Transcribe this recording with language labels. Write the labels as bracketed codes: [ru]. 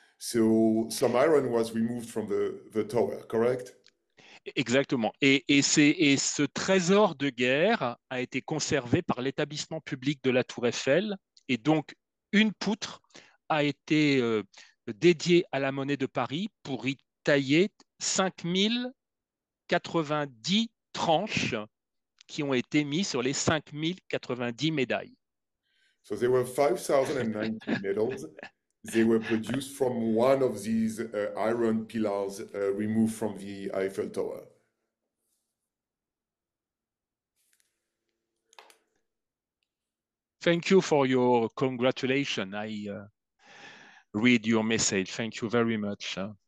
[en] So some iron was removed from the tower, correct? [fr] Exactement. Et ce trésor de guerre a été conservé par l'établissement public de la Tour Eiffel. Et donc, une poutre a été dédiée à la Monnaie de Paris pour y tailler 5090 tranches qui ont été mises sur les 5090 médailles. [en] So there were 5090 medals. They were produced from one of these iron pillars removed from the Eiffel Tower. Thank you for your congratulations. I read your message. Thank you very much.